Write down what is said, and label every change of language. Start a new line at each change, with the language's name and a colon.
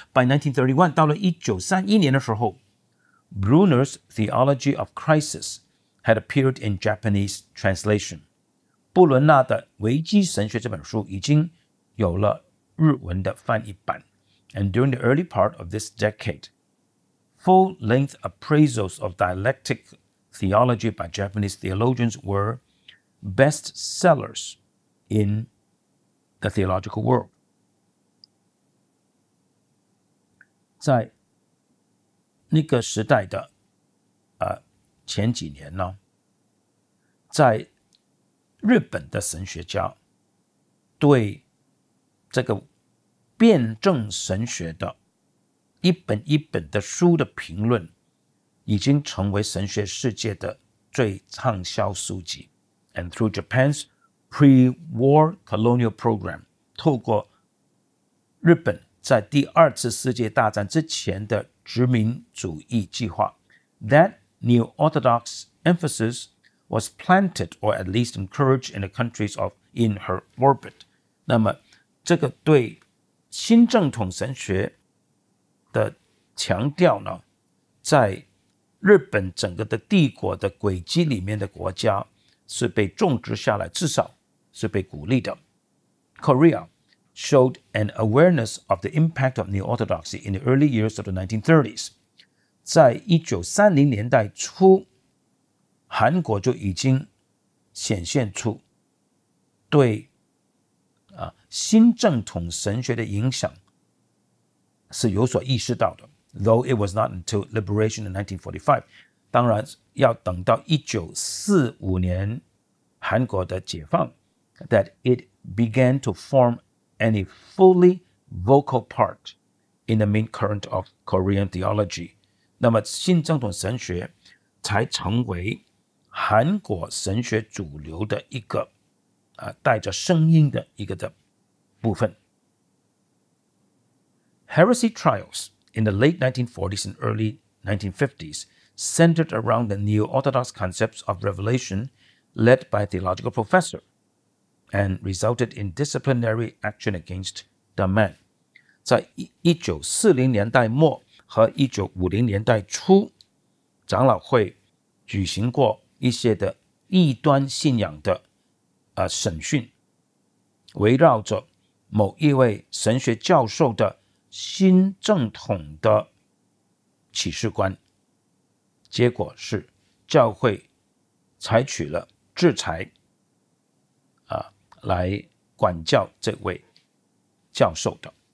English: by 1931
Chinese: 到了1931年的时候，
English: Brunner's Theology of Crisis had appeared in Japanese translation，
Chinese: 布伦纳的危机神学这本书已经有了日文的翻译版。
English: And during the early part of this decade， full length appraisals of dialectic theology by Japanese theologians were best sellers inThe theological world.
Chinese: 在那个时代的前几年呢，在日本的神学家对这个辩证神学的一本一本的书的评论已经成为神学世界的最畅销书籍。
English: And through Japan'sPre-war colonial program，
Chinese: 透过日本在第二次世界大战之前的殖民主义计划，
English: That new orthodox emphasis was planted or at least encouraged in the countries of in her orbit。
Chinese: 那么这个对新正统神学的强调呢，在日本整个的帝国的轨迹里面的国家是被种植下来，至少是被鼓励的。
English: Korea showed an awareness of the impact of New Orthodoxy in the early years of the 1930s.
Chinese: 在1930年代初，韩国就已经显现出对新正统神学的影响是有所意识到的。
English: Though it was not until liberation in 1945，
Chinese: 当然要等到1945年韩国的解放，
English: that it began to form any fully vocal part in the main current of Korean theology.
Chinese: 那么新正统神学才成为韩国神学主流的一个带着声音的一个的部分。
English: Heresy trials in the late 1940s and early 1950s centered around the new orthodox concepts of revelation led by a theological professorand resulted in disciplinary action against the man.
Chinese: 在1940年代末和1950年代初，长老会举行过一些的异端信仰的审讯，围绕着某一位神学教授的新正统的启示观，结果是教会采取了制裁来管教这位教授的。